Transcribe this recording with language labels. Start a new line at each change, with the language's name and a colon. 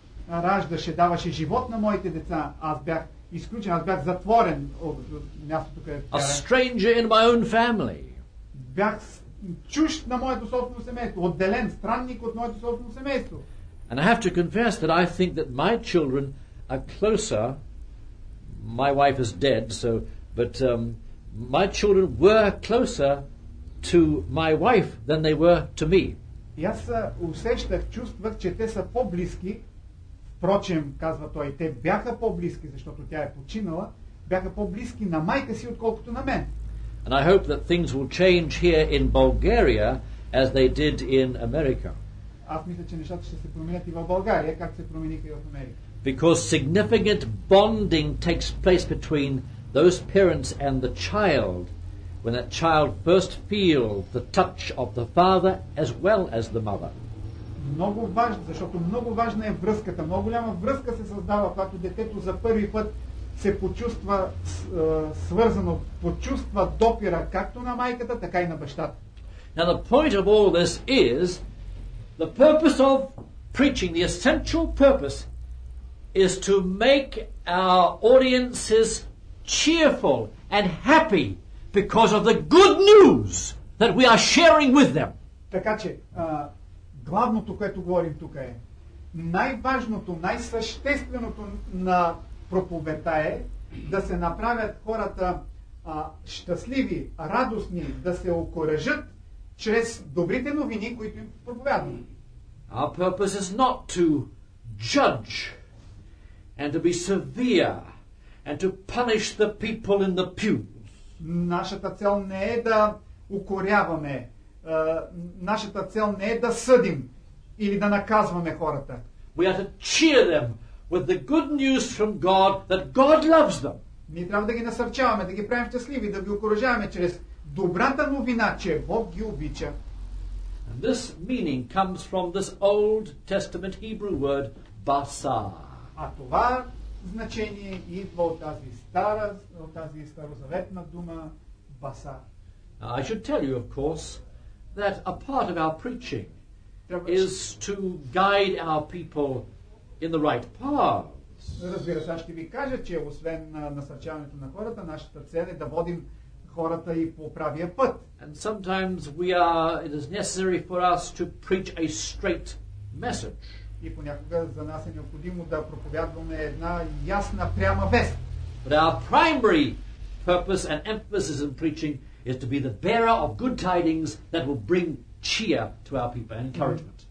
Bulgarian: раждаше, даваше живот на моите деца, аз бях изключен, аз бях затворен от мястото, където
English: A stranger in my own family.
Bulgarian: Бях чужд на моето собствено семейство, отделен, странник от моето собствено семейство.
English: And I have to confess that I think that my children are closer. My wife is dead, so but my children were closer to my wife than they were to me.
Bulgarian: И аз усещах, чувствах, че те са по-близки. Впрочем, казва той, те бяха по-близки, защото тя е починала, бяха по-близки на майка си, отколкото на мен.
English: And I hope that things will change here in Bulgaria as they did in America.
Bulgarian: Аз мисля, че нещата ще се променят и в България, както се промениха и в Америка.
English: Because significant bonding takes place between those parents and the child when that child first feels the touch of the father as well as the mother.
Bulgarian: Много важно, защото много важна е връзката. Много голяма връзка се създава, когато детето за първи път се почувства свързано, почувства допира както на майката, така и на бащата.
English: Now the point of all this is the purpose of preaching, the essential purpose is to make our audiences cheerful and happy because of the good news that we are sharing with them.
Bulgarian: Така че, главното, което говорим тук е, най-важното, най-същественото на проповедта е да се направят хората щастливи, радостни, да се окоръжат чрез добрите новини, които им проповядваме.
English: Our purpose is not to judge and to be severe and to punish the people in the pews.
Bulgarian: Нашата цел не е да укоряваме, нашата цел не е да съдим или да наказваме хората.
English: We are to cheer them with the good news from God that God loves them.
Bulgarian: Ние трябва да ги насърчаваме, да ги правим щастливи, да ги окоръжаваме чрез добрата новина, че Бог ги обича.
English: And this meaning comes from this Old Testament Hebrew word basar.
Bulgarian: А това значение идва от тази стара, от тази старозаветна дума баса.
English: I should tell you, of course, that a part of our preaching is to guide our people in the right paths.
Bulgarian: Разбира се, аз ще ви кажа, че освен насърчаването на хората, нашата цел е да водим хората и по правия път.
English: And sometimes it is necessary for us to preach a straight message.
Bulgarian: И понякога за нас е необходимо да проповядваме една ясна, пряма вест.
English: But our primary purpose and emphasis in preaching is to be the bearer of good tidings that will bring cheer to our people and encouragement.